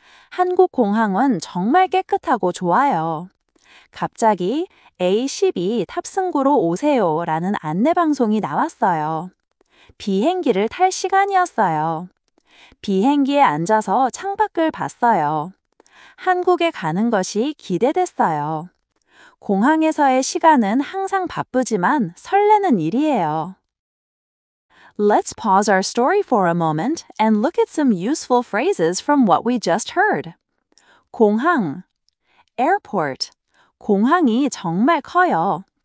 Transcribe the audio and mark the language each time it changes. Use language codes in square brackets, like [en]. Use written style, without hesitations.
[ko] 한국 공항은 정말 깨끗하고 좋아요. 갑자기 A12 탑승구로 오세요 라는 안내방송이 나왔어요. 비행기를 탈 시간이었어요. 비행기에 앉아서 창밖을 봤어요. 한국에 가는 것이 기대됐어요. 공항에서의 시간은 항상 바쁘지만 설레는 일이에요. [en] Let's pause our story for a moment and look at some useful phrases from what we just heard. [ko] 공항, airport, 공항이 정말 커요.